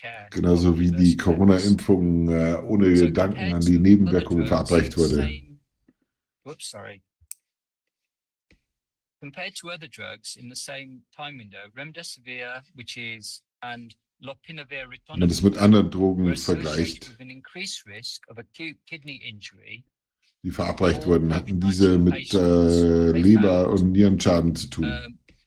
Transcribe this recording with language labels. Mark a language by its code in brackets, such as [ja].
[de] Genauso wie die Corona-Impfung ohne Gedanken an die Nebenwirkungen verabreicht wurde. [en] Compared to other drugs in the same time window, Remdesivir, which is and Lopinavir Ritonavir. [de] Wenn man das mit anderen Drogen vergleicht, die verabreicht wurden, hatten diese mit Leber- und Nierenschaden zu tun.